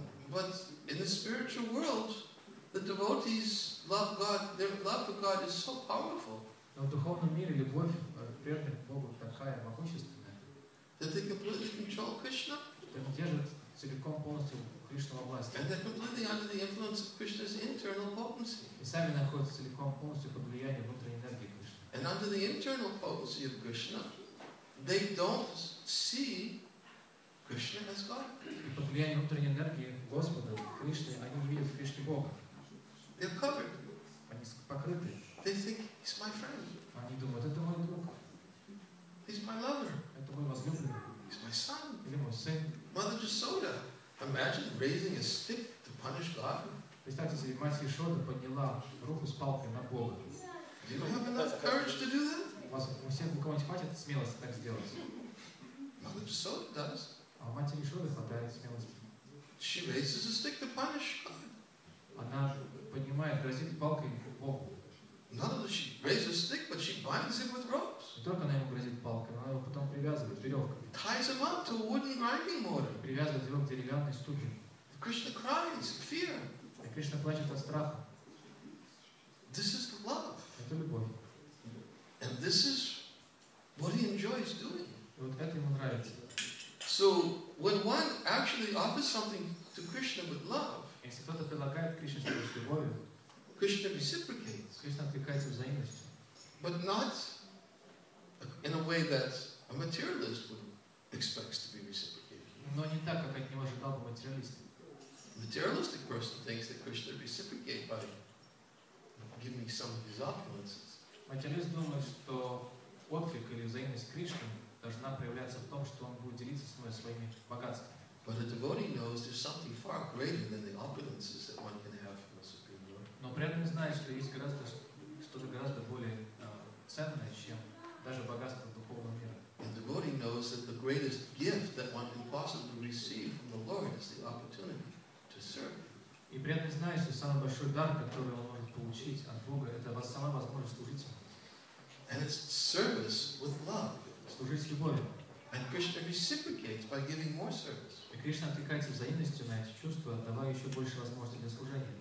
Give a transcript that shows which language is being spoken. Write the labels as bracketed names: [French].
[English] But in the spiritual world, the devotees love God. Their love for God is so powerful. [Russian] Но в духовном мире любовь преданных Богу такая могущественная. [English] That they completely control Krishna. [Russian] Они держат целиком полностью Кришну во власти. [English] And they're completely under the influence of Krishna's internal potency. [Russian] И сами находятся целиком полностью под влиянием внутренней энергии Кришны. [English] And under the internal potency of Krishna, they don't see Krishna as God. [Russian] И под влиянием внутренней энергии Господа Кришны они не видят Кришны Бога. [English] They're covered. [Russian] Они покрыты. [English] They think he's my friend. [Russian] Они думают, это мой друг. [English] He's my lover. [Russian] Это мой возлюбленный. [English] He's my son. [Russian] Или мой сын. [English] Mother Jasoda, imagine raising a stick to punish God. [Russian] Представьте себе, мать Ешода подняла руку с палкой на Бога. [English] Do you have enough courage to do that? [Russian] У кого-нибудь хватит смелости так сделать? [English] Mother Jasoda does. [Russian] А у матери Ешоды хватает смелости. [English] She raises a stick to punish God. [Russian] Она поднимает, грозит палкой к Богу. [English] Not only she raises a stick, but she binds him with ropes. [Russian] Не только она ему грозит палкой, она его потом привязывает веревкой. [English] Ties him up to a wooden grinding mortar. [Russian] Привязывает его к деревянной ступе. [English] Krishna cries in fear. [Russian] И Кришна плачет от страха. [English] This is love. [Russian] Это любовь. [English] And this is what he enjoys doing. [Russian] И вот это ему нравится. [English] So when one actually offers something to Krishna with love, [Russian] если кто-то предлагает Кришне что-то с любовью, [English] Krishna reciprocates. [Russian] Кришна откликается взаимностью. [English] But not in a way that a materialist would expect to be reciprocated. [Russian] Но не так, как от него ожидал бы материалист. [English] Materialistic person thinks that Krishna reciprocates by giving some of his opulences. [Russian] Материалист думает, что отклик или взаимность Кришны должна проявляться в том, что он будет делиться своими богатствами. [English] But a devotee knows there's something far greater than the opulences that one can have from a supreme lord. [Russian] Но преданный знает, что есть гораздо что-то гораздо более ценное, чем даже богатство духовного мира. [English] And the devotee knows that the greatest gift that one can possibly receive from the Lord is the opportunity to serve. [Russian] И преданный знает, что самый большой дар, который он может получить от Бога, это сама возможность служить ему. [English] And it's service with love. [Russian] Служить с любовью. [English] And Krishna reciprocates by giving more service. [Russian] И Кришна откликается взаимностью на эти чувства, давая еще больше возможностей для служения.